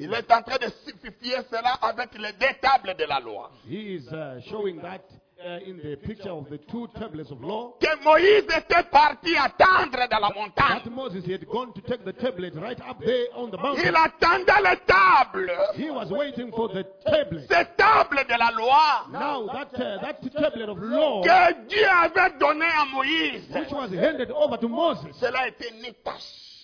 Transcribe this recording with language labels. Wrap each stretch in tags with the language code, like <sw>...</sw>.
<fr>il est en train de simplifier cela avec les deux tables de la loi.</fr> <en>He is showing that in the picture of the two tablets of law.</en> <fr>Que Moïse était parti attendre dans la montagne.</fr> <en>That Moses had gone to take the tablet right up there on the mountain.</en> <fr>Il attendait les tables.</fr> <en>He was waiting for the tablet.</en> <fr>Ces tables de la loi.</fr> <en>Now that tablet of law.</en> <fr>Que Dieu avait donné à Moïse.</fr> <en>Which was handed over to Moses.</en> <fr>Cela était ni tache.</fr>